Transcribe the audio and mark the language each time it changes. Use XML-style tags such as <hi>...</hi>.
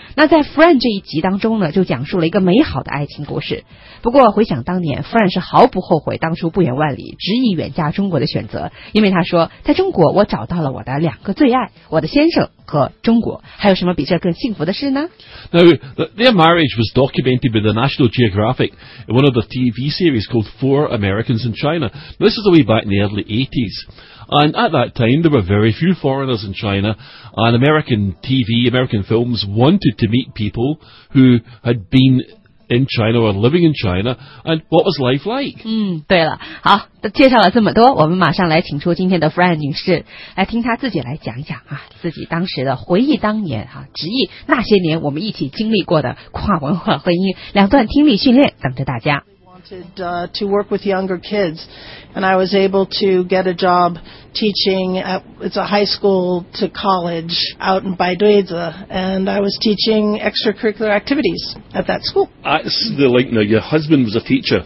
<zh>那在 Fran 这一集当中呢，就讲述了一个美好的爱情故事。不过回想当年 ，Fran 是毫不后悔当初不远万里执意远嫁中国的选择，因为他说，在中国我找到了我的两个最爱，我的先生。和中国，还有什么比这更幸福的事呢？</zh> <en>Now, their marriage was documented by the National Geographic in one of the TV series called Four Americans in China. Now, this is way back in the early 80s. And at that time, there were very few foreigners in China. And American TV, American films wanted to meet people who had been in China or living in China. And what was life like?</en> <zh>嗯，对了，好。介绍了这么多，我们马上来请出今天的 Fran 女士，来听她自己来讲一讲啊，自己当时的回忆当年啊，执意那些年我们一起经历过的跨文化婚姻，两段听力训练等着大家。</zh> <en>Wanted to work with younger kids, and I was able to get a job teaching at it's a high school to college out in Baidoze, and I was teaching extracurricular activities at that school. That's the link. Now, your husband was a teacher.</en>